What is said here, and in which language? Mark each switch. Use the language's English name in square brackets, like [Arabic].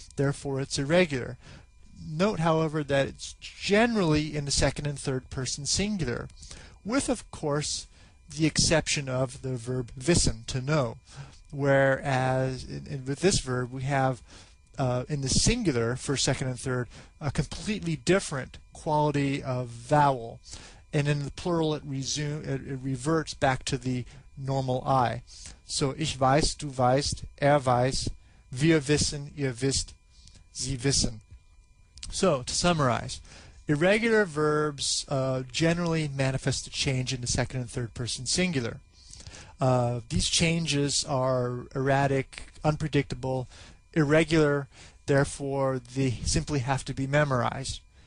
[English] Therefore, it's irregular. Note, however, that it's generally in the second and third person singular, with, of course, the exception of the verb wissen, to know. Whereas with this verb, we have in the singular for second and third a completely different quality of vowel, and in the plural it reverts back to the normal I. [German] So ich weiß, du weißt, weiß, wir wissen, ihr wisst, sie wissen. [English] So to summarize, irregular verbs generally manifest a change in the second and third person singular. These changes are erratic, unpredictable, irregular, therefore they simply have to be memorized.